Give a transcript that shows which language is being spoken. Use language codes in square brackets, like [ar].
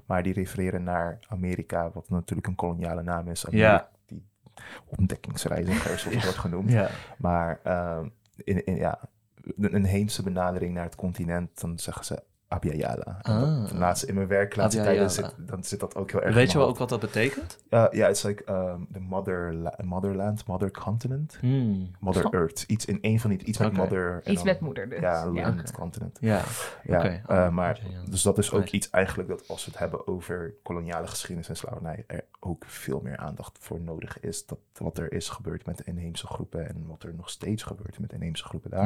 [nl] Maar die refereren naar Amerika, wat natuurlijk een koloniale naam is. Ja. Die ontdekkingsreizigers, zoals het wordt genoemd. Ja. Maar een heemse benadering naar het continent, dan zeggen ze Abya Yala. Laatste in mijn werk, laatste tijden, zit dat ook heel erg. Weet je wel ook wat dat betekent? Ja, [en] yeah, it's like the motherland, mother continent. Hmm. Mother earth. [nl] Iets in één van die, iets met okay. [en] mother. [nl] Iets dan, met moeder dus. Ja, land, okay. continent. Ja, ja. Okay. Maar dus dat is ook iets eigenlijk dat als we het hebben over koloniale geschiedenis en slavernij, er ook veel meer aandacht voor nodig is. Dat wat er is gebeurd met de inheemse groepen en wat er nog steeds gebeurt met de inheemse groepen daar.